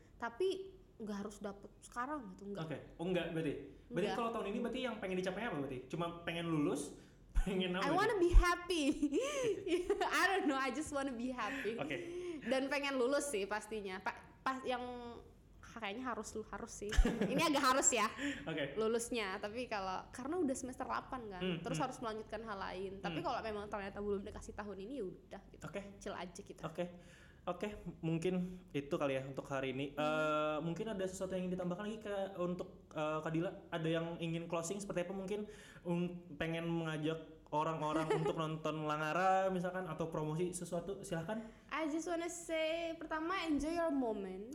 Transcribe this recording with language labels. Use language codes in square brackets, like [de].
[id] Tapi enggak harus dapet sekarang gitu, enggak. Oke. Okay. Oh enggak berarti. Berarti enggak. Kalau tahun ini berarti yang pengen dicapainya apa berarti? Cuma pengen lulus. [en] I wanna be happy. I don't know, I just wanna be happy. Oke. Okay. [id] Dan pengen lulus sih pastinya. Pas yang kayaknya harus lu harus sih. Ini agak harus ya. Oke. Okay. Lulusnya, tapi kalau karena udah semester 8 kan, terus harus melanjutkan hal lain. Tapi kalau memang ternyata belum dikasih tahun ini ya udah gitu. Oke. Okay. Chill aja kita. Oke. Okay. Oke, okay. Mungkin itu kali ya untuk hari ini. Mungkin ada sesuatu yang ingin ditambahkan lagi ke untuk Kak Dila, ada yang ingin closing seperti apa mungkin pengen mengajak orang-orang untuk nonton Langara misalkan atau promosi sesuatu, silahkan. [en] I just wanna say, [id] pertama [en] enjoy your moment.